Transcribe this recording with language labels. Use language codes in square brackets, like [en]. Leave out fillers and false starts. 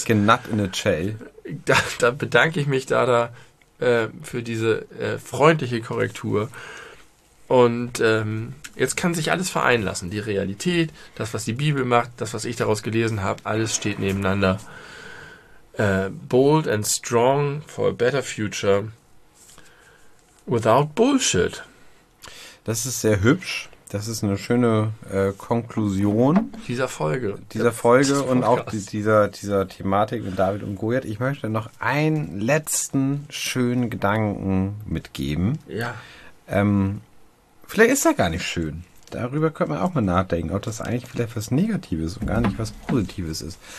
[de] Leicht genatt in eine Chell. Da bedanke ich mich da für diese freundliche Korrektur. Und jetzt kann sich alles vereinen lassen. Die Realität, das, was die Bibel macht, das, was ich daraus gelesen habe, alles steht nebeneinander. [en] Bold and strong for a better future without bullshit. [de] Das ist sehr hübsch. Das ist eine schöne Konklusion. Dieser Folge. Dieser Folge und auch dieser Thematik mit David und Goliath. Ich möchte noch einen letzten schönen Gedanken mitgeben. Ja. Vielleicht ist er gar nicht schön. Darüber könnte man auch mal nachdenken, ob das eigentlich vielleicht was Negatives und gar nicht was Positives ist.